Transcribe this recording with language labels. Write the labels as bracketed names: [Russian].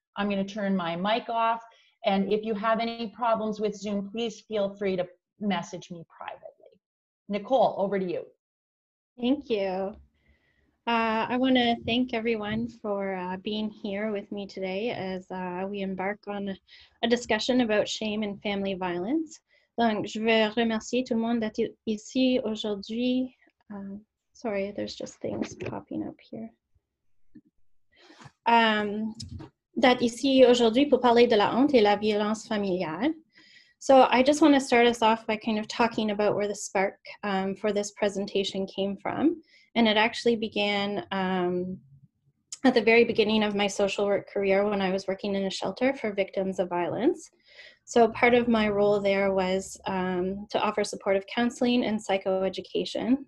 [English] I'm going to turn my mic off. And if you have any problems with Zoom, please feel free to message me privately. Nicole, over to you. Thank you. I want to thank everyone for being here with me today as we embark on a discussion about shame and family violence. [French] Donc, je veux remercier tout le monde d'être ici aujourd'hui. [English] Sorry, there's just things popping up here. [French] D'être ici aujourd'hui pour parler de la honte et la violence familiale. [English] So I just want to start us off by kind of talking about where the spark for this presentation came from. And it actually began at the very beginning of my social work career when I was working in a shelter for victims of violence. So part of my role there was to offer supportive counseling and psychoeducation.